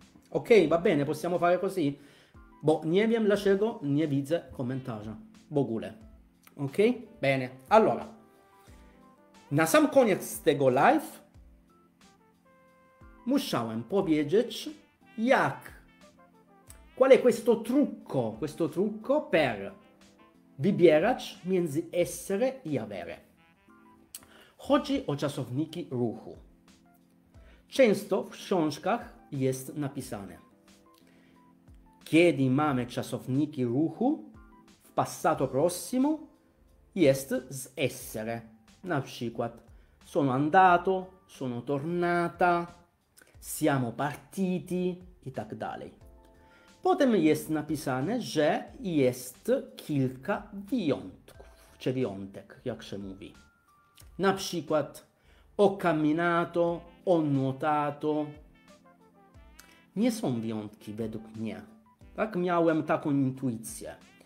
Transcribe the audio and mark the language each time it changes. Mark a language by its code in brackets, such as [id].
[it] Ok, va bene, possiamo fare così? [pl] Bo nie wiem dlaczego nie widzę komentarza w ogóle. [it] Ok? Bene. Allora. [pl] Na sam koniec tego live musiałem powiedzieć jak. [it] Qual è questo trucco? Questo trucco per wybierać między essere i avere. [pl] Chodzi o czasowniki ruchu. Często w książkach jest napisane. Kiedy mamy czasowniki ruchu, w passato prossimo jest z essere. Na przykład [it] sono andato, sono tornata, siamo partiti [pl] i tak dalej. Potem jest napisane, że jest kilka wyjątków, czy wyjątek, jak się mówi. Na przykład [it] ho camminato, ho nuotato. [pl] Nie są wyjątki według mnie. Tak, miałem taką intuicję.